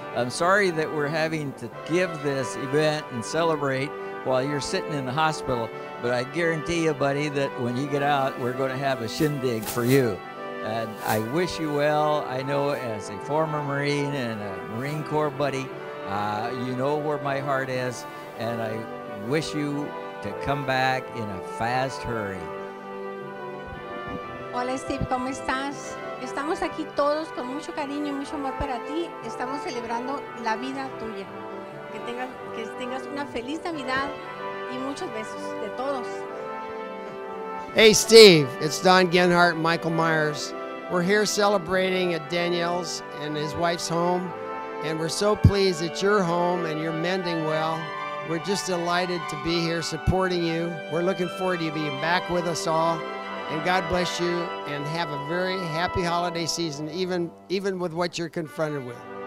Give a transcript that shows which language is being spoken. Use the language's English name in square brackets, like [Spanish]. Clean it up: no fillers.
[English] I'm sorry that we're having to give this event and celebrate while you're sitting in the hospital, but I guarantee you, buddy, that when you get out, we're going to have a shindig for you. And I wish you well. I know as a former Marine and a Marine Corps buddy, you know where my heart is, and I wish you to come back in a fast hurry. [Spanish] Hola, Steve, ¿cómo estás? Estamos aquí todos con mucho cariño y mucho amor para ti. Estamos celebrando la vida tuya. Que tengas una feliz Navidad y muchos besos de todos. [English] Hey, Steve, it's Don Genhart and Michael Myers. We're here celebrating at Danielle's and his wife's home. And we're so pleased that you're home and you're mending well. We're just delighted to be here supporting you. We're looking forward to you being back with us all. And God bless you and have a very happy holiday season, even with what you're confronted with.